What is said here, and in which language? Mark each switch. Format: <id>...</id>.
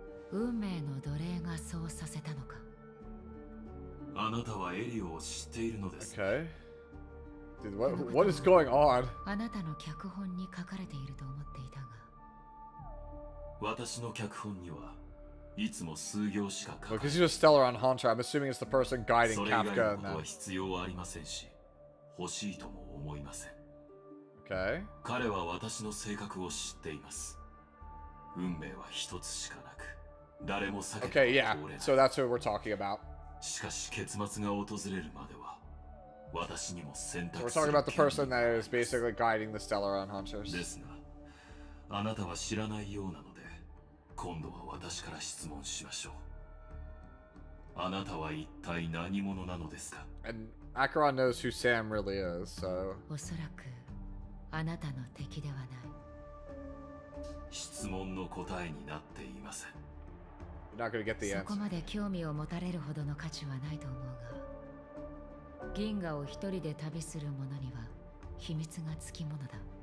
<ja>運命の奴隷がそうさせたのか。あなたはエリオを知っているのです。</ja> <en>Okay. Dude, what is going on?</en> <ja>あなたの脚本に書かれていると思っていたが。私の脚本にはいつも数行しか書かれない。</ja> <en>Because you just tell her on Hunter, I'm assuming it's the person guiding Kafka.</en> <ja>それ以外のことは必要ありませんし、欲しいとも思いません。</ja> <en>Okay.</en> <ja>彼は私の性格を知っています。運命は一つしかなく。誰も避けても通れない。</ja> <en>Okay, yeah. So that's what we're talking about.</en> <ja>しかし結末が訪れるまでは私にも選択する。</ja> <en>We're talking about the person that is basically guiding the Stellaron Hunters.</en> <ja>ですが、あなたは知らないようなので、今度は私から質問しましょう。あなたは一体何者なのですか？</ja> <en>And Acheron knows who Sam really is, so.</en> <ja>おそらくあなたの敵ではない。質問の答えになっていません。</ja> <en>Not gonna get the answer.</en> <ja>そこまで興味を持たれるほどの価値はないと思うが、銀河を一人で旅する者には秘密がつきものだ。</ja>